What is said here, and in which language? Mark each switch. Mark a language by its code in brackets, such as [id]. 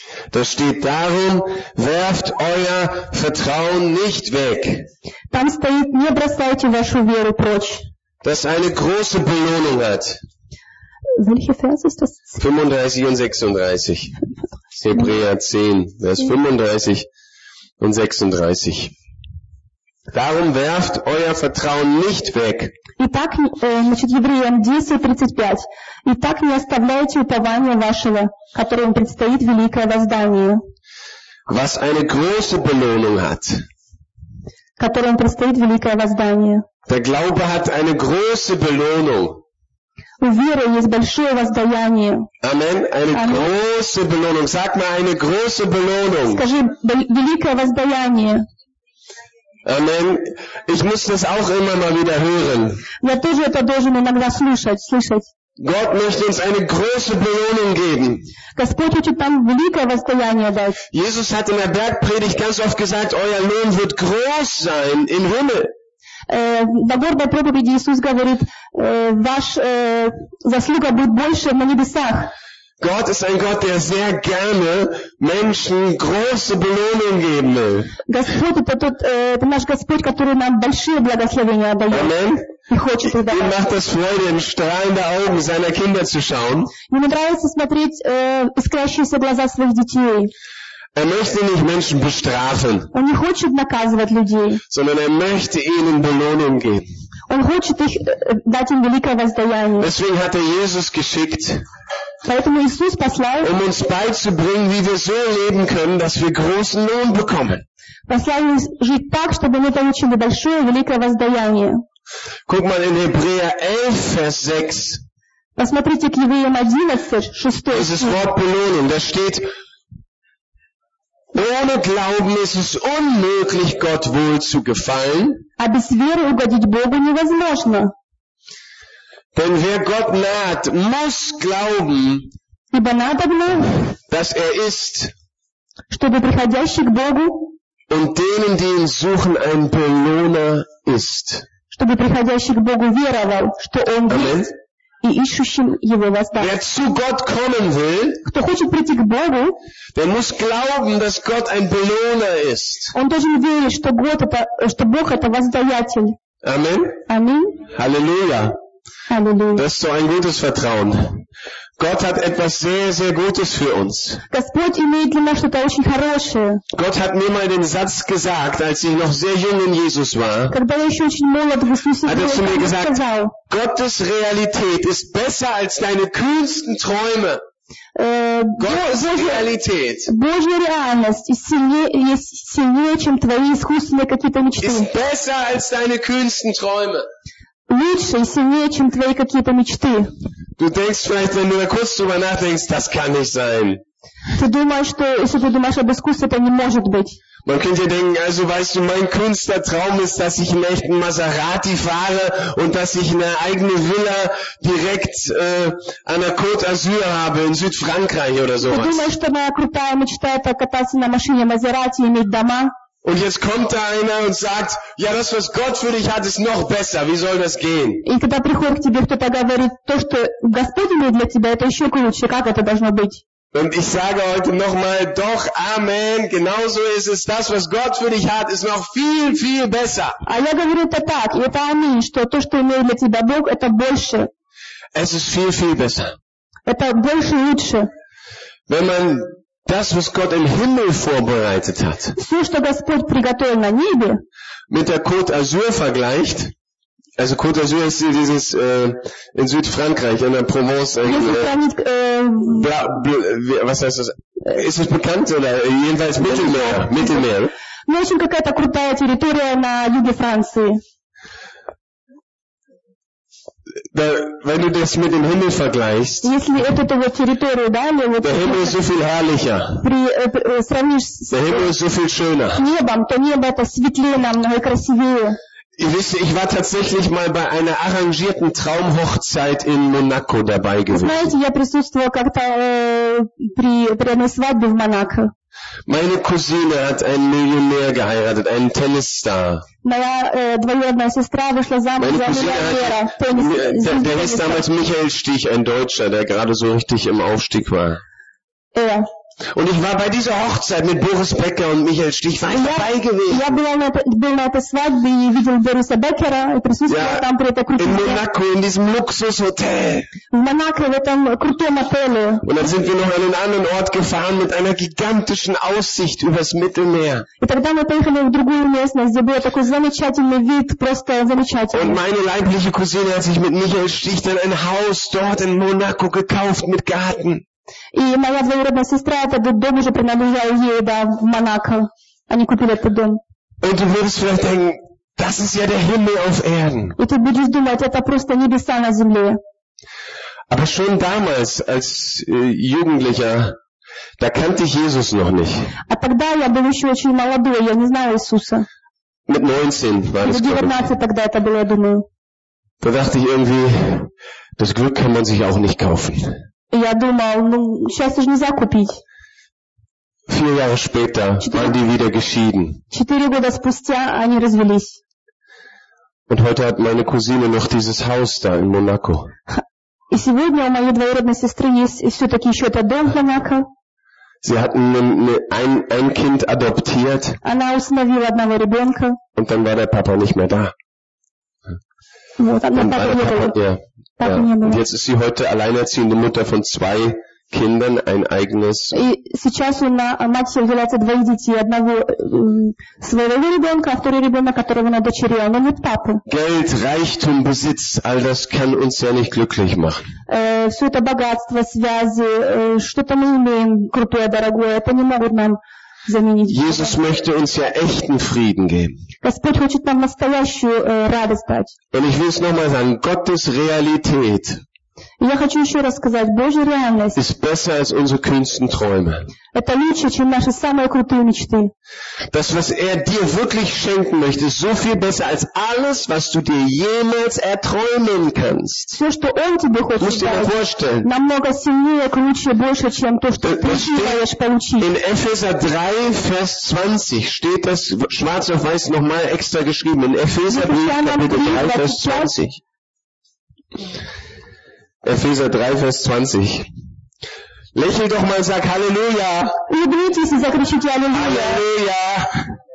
[de] Da steht darum, werft euer Vertrauen nicht weg. [ru] Там стоит, не бросайте вашу веру прочь. [de] Das eine große Belohnung hat. Welche Vers ist das? 35 und 36. Hebräer 10, Vers 35 und 36. Darum werft euer Vertrauen nicht weg. [ru] Итак, значит, Евреям 10:35. Итак, не оставляйте упования вашего, которому предстоит великое воздание. [de] Was eine große Belohnung hat. [ru] Которому предстоит великое воздание. [de] Der Glaube hat eine große Belohnung. [ru] У веры есть большое воздаяние. [de] Amen. Eine Amen. Große Belohnung. Sag mal eine große Belohnung. [ru] Скажи великое воздаяние. [de] Amen. Ich muss das auch immer mal wieder hören. [ru] Я тоже это должен иногда слышать. [de] Gott möchte uns eine große Belohnung geben. [ru] Господь хочет нам великое воздаяние дать. [de] Jesus hat in der Bergpredigt ganz oft gesagt, euer Lohn wird groß sein im Himmel. [ru] На горной проповеди Иисус говорит, ваш заслуга будет больше на небесах. [de] Gott ist ein Gott, der sehr gerne Menschen große Belohnungen geben will. [ru] Господь, это наш Господь, который нам большие благословения дает. Amen. И хочет их давать. [de] Ihm macht es Freude, in strahlende Augen seiner Kinder zu schauen. [ru] Ему нравится смотреть искрящиеся глаза своих детей. [de] Er möchte nicht Menschen bestrafen. [ru] Он не хочет наказывать людей. [de] Sondern er möchte ihnen Belohnung geben. [ru] Он хочет их дать им великое воздаяние. [de] Deswegen hat er Jesus geschickt. [ru] Поэтому Иисус послал, [de] um uns beizubringen, wie wir so leben können, dass wir großen Lohn bekommen. [ru] Послал [de] ihn [ru] жить так, чтобы мы получили большое великое воздаяние. [de] Guck mal in Hebräer 11, Vers 6. [ru] Посмотрите к Евреям 11, 6. [de] Dieses Wort Belohnung, da steht: Ohne Glauben ist es unmöglich, Gott wohl zu gefallen. [ru] А без веры угодить Богу невозможно. [de] Denn wer Gott naht, muss glauben, [ru] ибо надобно, [de] dass er ist, [ru] чтобы приходящий к Богу, [de] und denen, die ihn suchen, ein Belohner ist. [ru] Чтобы приходящий к Богу веровал, что он есть, и ищущим его воздаст. [de] Wer zu Gott kommen will, [ru] кто хочет прийти к Богу, [de] der muss glauben, dass Gott ein Belohner ist. [ru] Он должен верить, что Бог это, что Бог это воздаятель. Amen. Amen. Halleluja. Halleluja. [de] Das ist so ein gutes Vertrauen. Gott hat etwas sehr, sehr Gutes für uns. [ru] Господь имеет для нас что-то очень хорошее. [de] Gott hat mir mal den Satz gesagt, als ich noch sehr jung in Jesus war. [ru] Когда я еще очень молод в Иисусе был, [de] hat er zu mir gesagt: Gottes Realität ist besser als deine kühnsten Träume. Gottes Realität. [ru] Божья реальность сильнее, чем твои искусственные какие-то мечты. [de] Ist besser als deine kühnsten Träume. [ru] Лучше и сильнее, чем твои какие-то мечты. [de] Du denkst vielleicht, wenn du da kurz drüber nachdenkst, das kann nicht sein. [ru] Ты думаешь, что если ты думаешь об искусстве, это не может быть. [de] Man könnte denken, also weißt du, mein kühnster Traum ist, dass ich in echten Maserati fahre und dass ich eine eigene Villa direkt an der Côte d'Azur habe in Südfrankreich oder sowas. [ru] Ты думаешь, что моя крутая мечта это кататься на машине Maserati и иметь дома? [de] Und jetzt kommt da einer und sagt, ja, das, was Gott für dich hat, ist noch besser. Wie soll das gehen? [ru] И когда приходит к тебе кто-то говорит, то, что Господь имеет для тебя, это еще круче. Как это должно быть? [de] Und ich sage heute nochmal, doch, Amen, genauso ist es, das, was Gott für dich hat, ist noch viel, viel besser. [ru] А я говорю это так, это Амин, что то, что имеет для тебя Бог, это больше. [de] Es ist viel, viel besser. [ru] Это больше и лучше. [de] Wenn man das, was Gott im Himmel vorbereitet hat, [ru] все, что Господь приготовил на небе, [de] mit der Côte d'Azur vergleicht, also Côte d'Azur ist dieses in Südfrankreich, in der Provence, was heißt das? Ist es bekannt oder jedenfalls Mittelmeer? Mittelmeer. [ru] Ну, в общем, какая-то крутая территория на юге Франции. [de] Da, wenn du das mit dem Himmel vergleichst, [ru] если это то вот территория, да, или вот [de] der Himmel ist so viel herrlicher. Der Himmel ist so viel schöner. [ru] Небом, то небо это светлее намного и красивее. [de] Ihr wisst, ich war tatsächlich mal bei einer arrangierten Traumhochzeit in Monaco dabei gewesen. [ru] Знаете, я присутствовал как-то при одной свадьбе в Монако. [de] Meine Cousine hat einen Millionär geheiratet, einen Tennisstar. [ru] Моя двоюродная сестра вышла замуж за миллионера. [de] Der hieß damals Michael Stich, ein Deutscher, der gerade so richtig im Aufstieg war. Ja. Und ich war bei dieser Hochzeit mit Boris Becker und Michael Stich, war ich dabei gewesen. [ru] Я был на этой свадьбе и видел Бориса Беккера и присутствовал там при этой крутой. [de] In Monaco, in diesem Luxushotel. [ru] В Монако, в этом крутом отеле. [de] Und dann sind wir noch an einen anderen Ort gefahren mit einer gigantischen Aussicht übers Mittelmeer. [ru] И тогда мы поехали в другую местность, где был такой замечательный вид, просто замечательный. [de] Und meine leibliche Cousine hat sich mit Michael Stich dann ein Haus dort in Monaco gekauft mit Garten. [ru] И моя двоюродная сестра этот дом уже принадлежал ей, да, в Монако. Они купили этот дом. [de] Und du würdest vielleicht denken, das ist ja der Himmel auf Erden. [ru] И ты будешь думать, это просто небеса на земле. [de] Aber schon damals als Jugendlicher, da kannte ich Jesus noch nicht. [ru] А тогда я был еще очень молодой, я не знал Иисуса. [de] Mit 19 war das. [ru] 19 тогда это было, я думаю. [de] Da dachte ich irgendwie, das Glück kann man sich auch nicht kaufen. [ru] Я думал, ну, сейчас уж нельзя купить. [de] Vier Jahre später waren die wieder geschieden. [ru] 4 года спустя они развелись. [de] Und heute hat meine Cousine noch dieses Haus da in Monaco. [ru] И сегодня у моей двоюродной сестры есть все-таки еще этот дом для Мака. [de] Sie hatten ein Kind adoptiert. [ru] Она усыновила одного ребенка. [de] Und dann war der Papa nicht mehr da. [ru] Вот, [de] dann war der Papa, Und jetzt ist sie heute alleinerziehende Mutter von zwei Kindern, ein eigenes. [ru] И сейчас мать является двоих детей, одного своего ребенка, а второй ребенок, которого она дочерила, но нет папы. [de] Geld, Reichtum, Besitz, all das kann uns ja nicht glücklich machen. [ru] Все это богатство, связи, что-то мы имеем крутое, дорогое, это не могут нам заменить. [de] Jesus möchte uns ja echten Frieden geben. [ru] Господь хочет нам настоящую радость дать. [de] Und ich will es nochmal sagen, Gottes Realität. [ru] Я хочу еще раз сказать, Божья реальность [de] ist besser als unsere kühnsten Träume. [ru] Это лучше, чем наши самые крутые мечты. [de] Das, was dir wirklich schenken möchte, ist so viel besser als alles, was du dir jemals erträumen kannst. [ru] Все, что Он тебе хочет [de] musst [ru] дать, [de] dir vorstellen. [ru] Намного сильнее, круче, больше, чем то, что ты желаешь получить. [de] In Epheser 3, Vers 20 steht das schwarz auf weiß nochmal extra geschrieben. In Epheser 3, Kapitel 3, Vers 20. Epheser 3, Vers 20. Lächel doch mal und sag Halleluja. Halleluja.